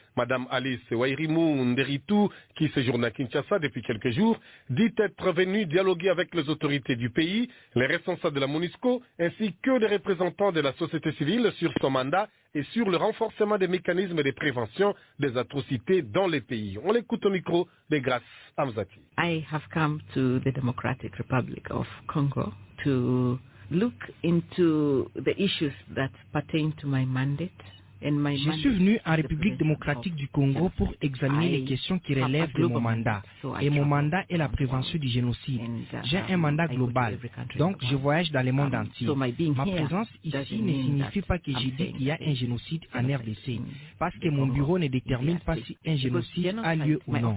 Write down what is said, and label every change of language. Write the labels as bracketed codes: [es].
[fr] Madame Alice Wairimu Nderitu, qui séjourne à Kinshasa depuis quelques jours, dit être venu dialoguer avec les autorités du pays, les responsables de la MONUSCO ainsi que les représentants de la société civile sur son mandat et sur le renforcement des mécanismes de prévention des atrocités dans les pays. On l'écoute au micro de Grace Amzati. [en] I have come to the Democratic Republic of Congo to look into the issues that pertain to my mandate. [fr] Je suis venu en République démocratique du Congo pour examiner les questions qui relèvent de mon mandat. Et mon mandat est la prévention du génocide. J'ai un mandat global, donc je voyage dans le monde entier. Ma présence ici ne signifie pas que j'ai dit qu'il y a un génocide en RDC, parce que mon bureau ne détermine pas si un génocide a lieu ou non.